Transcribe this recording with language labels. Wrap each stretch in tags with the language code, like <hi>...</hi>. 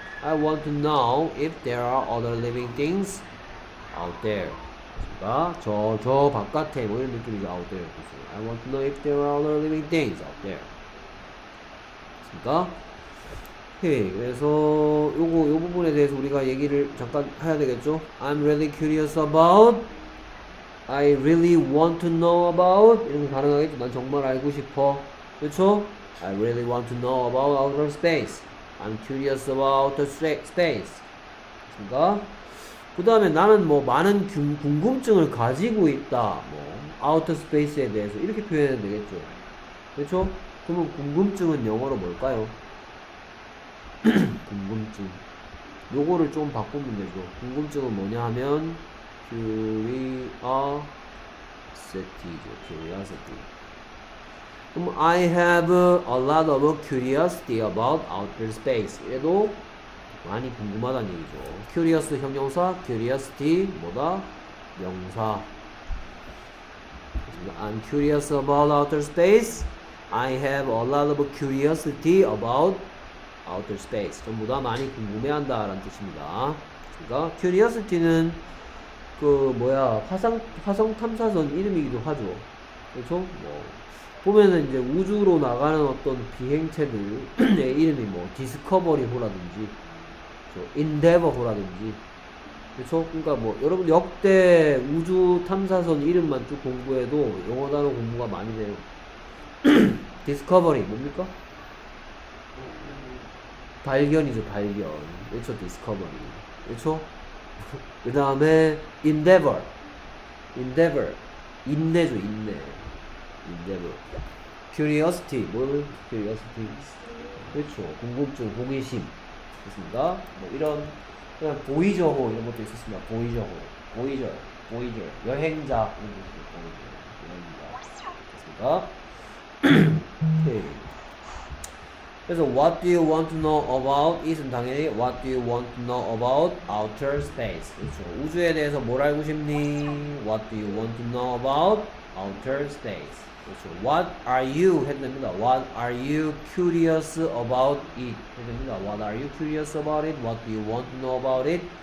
<en>I want to know if there are other living things out there.</en> <ko>그러니까 저 바깥에 뭐 이런 느낌이죠.</ko> <en>Out there.</en> <ko>그렇죠.</ko> <en>I want to know if there are other living things out there.</en> <ko>그렇습니까? 오케이. 그래서 요 부분에 대해서 우리가 얘기를 잠깐 해야 되겠죠?</ko> <en>I'm really curious about. I really want to know about.</en> <ko>이런 게 가능하겠죠? 난 정말 알고 싶어. 그렇죠?</ko> <en>I really want to know about outer space. I'm curious about the space.</en> <ko>그렇습니까? 그 다음에 나는 뭐 많은 궁금증을 가지고 있다. 뭐 아우터 스페이스에 대해서 이렇게 표현해야 되겠죠. 그렇죠? 그러면 궁금증은 영어로 뭘까요? 궁금증. 요거를 좀 바꾸면 되죠. 궁금증은 뭐냐 하면 curiosity죠. curiosity.</ko> <en>그럼 I have a lot of curiosity about outer space.</en> <ko>얘도 많이 궁금하다는 얘기죠. curious 형용사, curiosity 뭐다? 명사.</ko> <en>I'm curious about outer space. I have a lot of curiosity about outer space.</en> <ko>전부 다 많이 궁금해한다라는 뜻입니다. 그러니까 curiosity는 그 뭐야 화성 탐사선 이름이기도 하죠. 그렇죠? 뭐 보면은 이제 우주로 나가는 어떤 비행체들의 이름이 뭐 디스커버리호라든지 인데버호라든지. 그쵸? 그러니까 뭐 여러분 역대 우주 탐사선 이름만 쭉 공부해도 영어 단어 공부가 많이 돼요. 디스커버리 뭡니까? 발견이죠. 발견. 그쵸? 디스커버리. 그쵸? 그 다음에 인데버. 인데버. 인내죠. 인내. 인데버. 큐리오스티. 뭘? 큐리오스티. 그쵸? 궁금증, 호기심. 있습니다. 뭐 이런 그냥 보이저호 이런 것도 있었습니다. 보이저호, 보이저, 여행자 이런 것도 보이저, 여행자 있습니다. 오케이. 그래서</ko> <en>what do you want to know about?</en> <ko>이것은 당연히</ko> <en>what do you want to know about outer space?</en> <ko>그렇죠. 우주에 대해서 뭘 알고 싶니?</ko> <en>What do you want to know about outer space?</en> <ko>그렇죠.</ko> <en>What are you?</en> <ko>해도 됩니다.</ko> <en>What are you curious about it? 해도 됩니다. What are you curious about it? What do you want to know about it?</en>